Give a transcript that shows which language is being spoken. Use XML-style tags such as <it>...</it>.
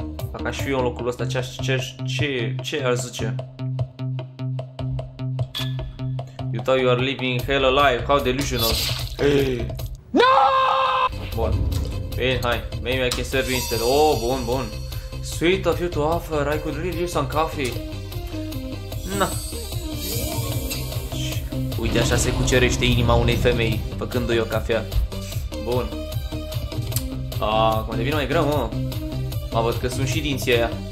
<ro>Dacă aș fi eu în locul ăsta, ce ar zice?</ro> <en>You thought you are living hell alive, how delusional. No!</en> <ro>Bun, bine, hai,</ro> <en>maybe I can serve you instead.</en> <ro>Bun.</ro> <en>Sweet of you to offer, I could really use some coffee.</en> <ro>Na. Uite, așa se cucerește inima unei femei, făcându-i o cafea. Bun. Acum devine mai greu, mă. Mă văd că sunt și dinții aia.</ro>